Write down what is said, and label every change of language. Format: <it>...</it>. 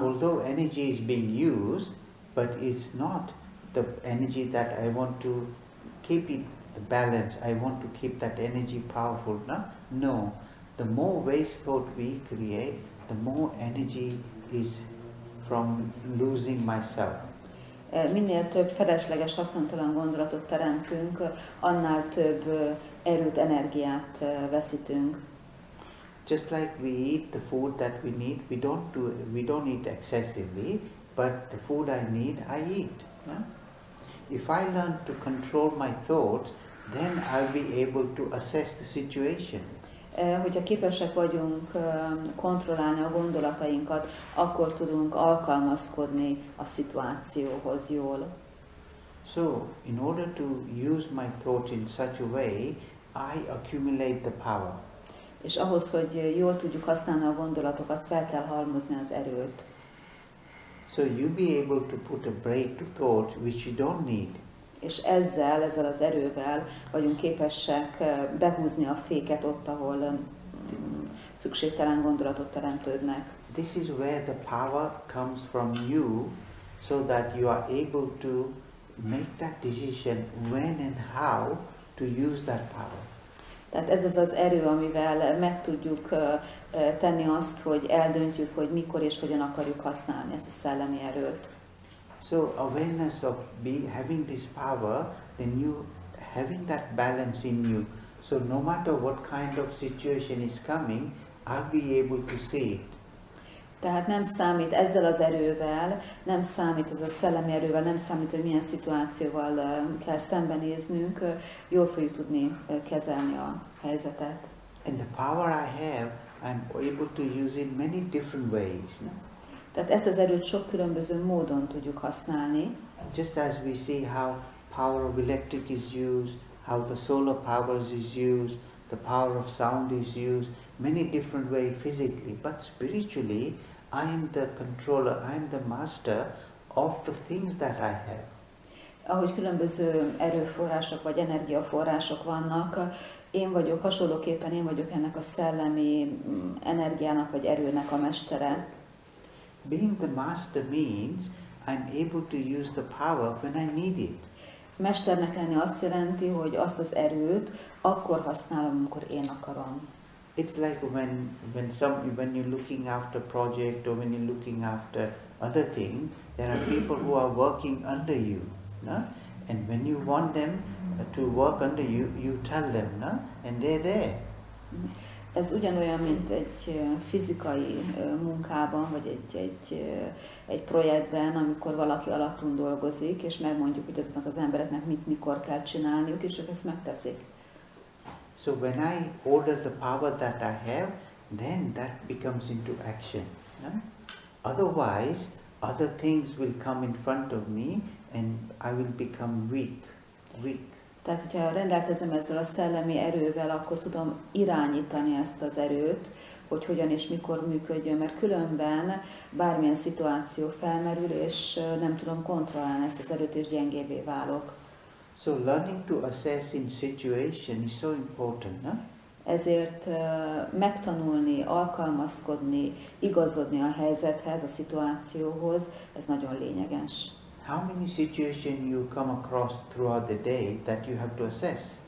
<en>Although energy is being used, but it's not the energy that I want to keep it the balance, I want to keep that energy powerful, no? No. The more waste thought we create, the more energy is from losing myself.</en> <hu>Minél több felesleges, haszontalan gondolatot teremtünk, annál több erőt, energiát veszítünk.</hu> <en>Just like we eat the food that we need, we don't eat excessively, but the food I need, I eat. Yeah? If I learn to control my thoughts, then I'll be able to assess the situation.</en> <hu>hogyha képesek vagyunk kontrollálni a gondolatainkat, akkor tudunk alkalmazkodni a szituációhoz jól.</hu> <en>So, in order to use my thought in such a way, I accumulate the power.</en> <hu>És ahhoz, hogy jól tudjuk használni a gondolatokat, fel kell halmozni az erőt.</hu> <en>So you be able to put a brake to thought which you don't need.</en> <hu>És ezzel az erővel vagyunk képesek behúzni a féket ott, ahol szükségtelen gondolatot teremtődnek.</hu> <en>This is where the power comes from you, so that you are able to make that decision when and how to use that power.</en> <hu>Tehát ez az az erő, amivel meg tudjuk tenni azt, hogy eldöntjük, hogy mikor és hogyan akarjuk használni ezt a szellemi erőt.</hu> <en>So awareness of having this power, then you having that balance in you. So no matter what kind of situation is coming, I'll be able to see it.</en> <hu>Tehát nem számít ezzel az erővel, nem számít ez a szellemi erővel, nem számít, hogy milyen szituációval kell szembenéznünk, jól fogjuk tudni kezelni a helyzetet.</hu> <en>And the power I have, I'm able to use in many different ways.</en> <hu>Tehát ezt az erőt sok különböző módon tudjuk használni.</hu> <en>Just as we see how power of electric is used, how the solar powers is used, the power of sound is used, many different ways physically, but spiritually, I am the controller, I am the master of the things that I have.</en> <hu>Ahogy különböző erőforrások vagy energiaforrások vannak, én vagyok hasonlóképpen, én vagyok ennek a szellemi energiának vagy erőnek a mestere.</hu> <en>Being the master means I'm able to use the power when I need it.</en> <hu>Mesternek lenni azt jelenti, hogy azt az erőt akkor használom, amikor én akarom.</hu> <en>It's like when you're looking after a project or when you're looking after other thing, there are people who are working under you, no? And when you want them to work under you, you tell them, no? And they're there.</en> <hu>Ez ugyanolyan, mint egy fizikai munkában, vagy egy projektben, amikor valaki alattunk dolgozik, és megmondjuk, hogy azoknak az embereknek mit, mikor kell csinálniuk, és ők ezt megteszik.</hu> <en>So when I order the power that I have, then that becomes into action. No? Otherwise, other things will come in front of me, and I will become weak.</en> <hu>Tehát, hogyha rendelkezem ezzel a szellemi erővel, akkor tudom irányítani ezt az erőt, hogy hogyan és mikor működjön, mert különben bármilyen szituáció felmerül, és nem tudom kontrollálni ezt az erőt, és gyengébbé válok.</hu> <en>So learning to assess in situation is so important, no?</en> <hu>Ezért megtanulni, alkalmazkodni, igazodni a helyzethez, a szituációhoz, ez nagyon lényeges.</hu> <en>How many situations you come across throughout the day that you have to assess?</en>